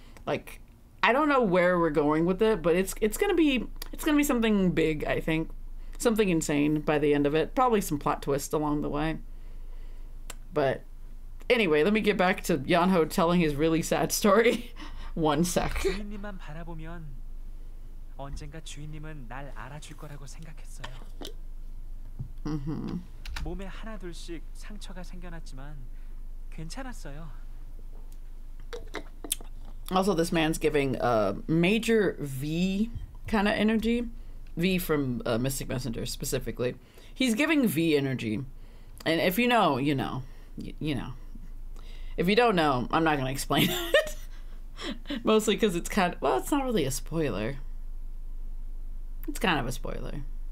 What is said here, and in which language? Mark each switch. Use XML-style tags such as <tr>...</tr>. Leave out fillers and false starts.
<en>Like, I don't know where we're going with it, but it's gonna be something big, I think. Something insane by the end of it. Probably some plot twists along the way. But anyway, let me get back to Yeonho telling his really sad story. One sec.</en> <ko>주인님만 바라보면 언젠가 주인님은 날 알아줄 거라고 생각했어요. 몸에 하나 둘씩 상처가 생겨났지만 괜찮았어요.</ko> <en>Also, this man's giving a major V kind of energy. V from Mystic Messenger specifically. He's giving V energy. And if you know, you know. You know. If you don't know, I'm not going to explain it. Mostly because it's kind of... Well, it's not really a spoiler. It's kind of a spoiler.</en>